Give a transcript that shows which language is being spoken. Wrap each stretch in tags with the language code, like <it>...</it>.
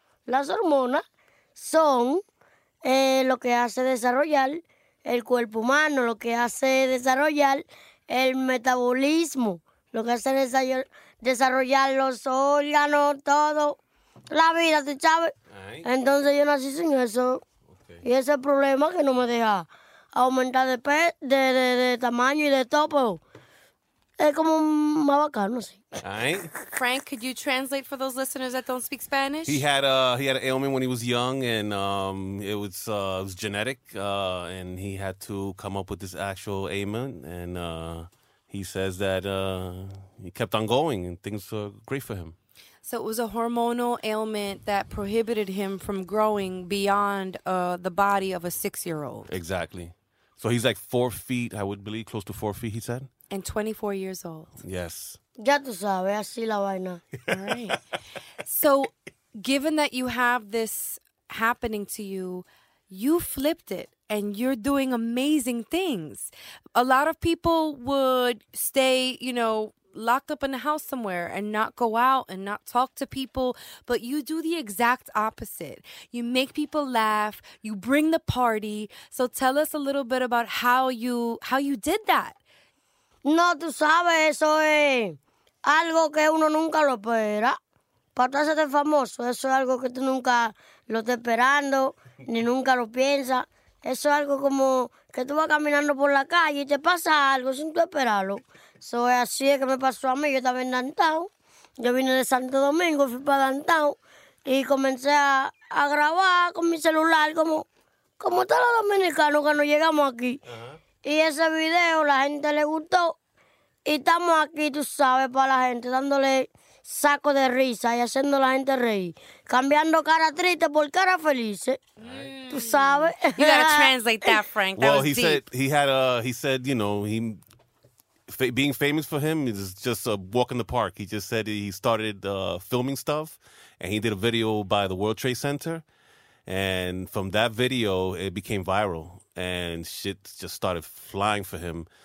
<es>Las hormonas son lo que hace desarrollar el cuerpo humano, lo que hace desarrollar el metabolismo, lo que hace desarrollar los órganos, todo, la vida, ¿tú sabes? Entonces yo nací sin eso. Okay. Y ese es el problema que no me deja aumentar de tamaño y de topo. Es como más bacano, sí.</es> <en>Frank, could you translate for those listeners that don't speak Spanish? He had an ailment when he was young, and it was genetic, and he had to come up with this actual ailment, and he says that he kept on going, and things were great for him. So it was a hormonal ailment that prohibited him from growing beyond the body of a 6-year-old. Exactly. So he's like 4 feet, I would believe, close to 4 feet, he said. And 24 years old. Yes.</en> <es>Ya tú sabes, así la vaina.</es> <en>All right. So given that you have this happening to you, you flipped it. And you're doing amazing things. A lot of people would stay, you know, locked up in a house somewhere and not go out and not talk to people. But you do the exact opposite. You make people laugh. You bring the party. So tell us a little bit about how you did that.</en> <es>No, tú sabes, eso es algo que uno nunca lo espera. Para hacerte famoso, eso es algo que tú nunca lo estás esperando, ni nunca lo piensas. Eso es algo como que tú vas caminando por la calle y te pasa algo sin tú esperarlo. Eso es así es que me pasó a mí. Yo estaba en downtown. Yo vine de Santo Domingo, fui para downtown y comencé a grabar con mi celular como todos los dominicanos cuando llegamos aquí. Uh-huh. Y ese video la gente le gustó y estamos aquí, tú sabes, para la gente dándole saco de risa y haciendo la gente reír, cambiando cara triste por cara feliz. Tú sabes.</es> <en>You gotta translate that, Frank. That well, was he deep. Said he had a. He said, you know, he being famous for him is just a walk in the park. He just said he started filming stuff, and he did a video by the World Trade Center, and from that video it became viral, and shit just started flying for him.</en>